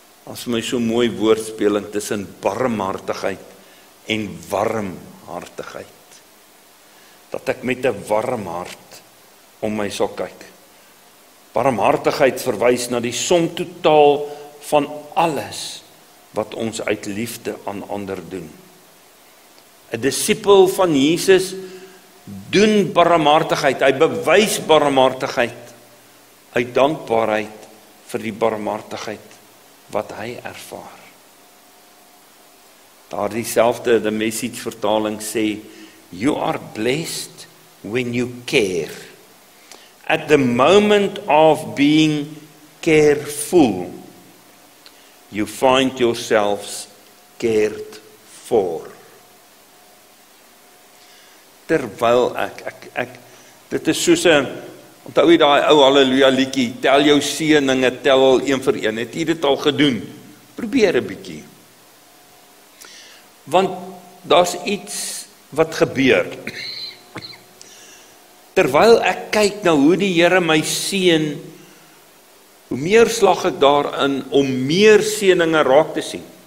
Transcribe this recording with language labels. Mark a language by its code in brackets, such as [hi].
[af] As my so mooi woordspeling tussen barmhartigheid en warmhartigheid. Dat ek met 'n warm hart om my sal kyk. Barmhartigheid verwys na die som totaal van alles wat ons uit liefde aan ander doen. 'n disipel van Jesus doen barmhartigheid, hy bewys barmhartigheid uit dankbaarheid vir die barmhartigheid wat hy ervaar. Daar dieselfde [en] the message [af] vertaling sê, [en] you are blessed when you care. At the moment of being careful, you find yourselves cared for. [af] Terwyl ek, dit is soos 'n, onthou jy daai ou halleluja liedjie, tel jou seëninge, tel al een vir een, het jy dit al gedoen? Probeer 'n bietjie. Want daar's iets wat gebeur. Terwyl ek kyk na hoe die Here my seën, hoe meer slag ek daarin om meer seëninge raak te sien.